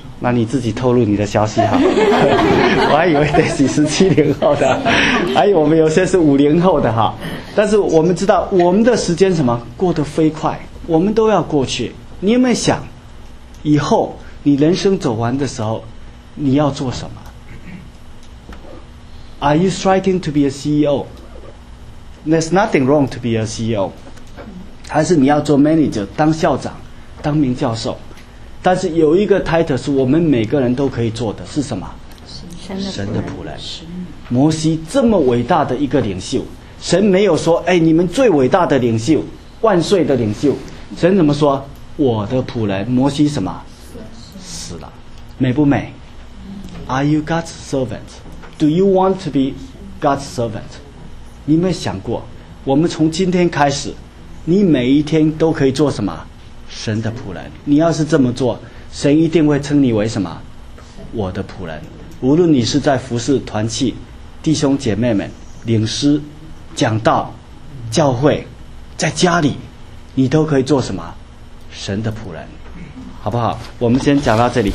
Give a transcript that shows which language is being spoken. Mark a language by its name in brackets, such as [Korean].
[Chinese] 那你自己透露你的消息哈。我还以为得是70后的，还有我们有些是50后的哈。但是我们知道我们的时间什么过得飞快，我们都要过去。你有没有想以后你人生走完的时候你要做什么？ [English] Are you striving to be a CEO? There's nothing wrong to be a CEO. [Chinese] 还是你要做 manager, 当校长，当名教授？但是有一个 title 是我们每个人都可以做的，是什么？神的仆人。摩西这么伟大的一个领袖，神没有说哎，你们最伟大的领袖，万岁的领袖，神怎么说？我的仆人摩西什么？死了。美不美？ [English] Are you God's servant? Do you want to be God's servant? [Chinese] 你有没有想过，我们从今天开始，你每一天都可以做什么？神的仆人。你要是这么做，神一定会称你为什么？我的仆人。无论你是在服侍团契、弟兄姐妹们、领师、讲道、教会，在家里，你都可以做什么？神的仆人。好不好？我们先讲到这里。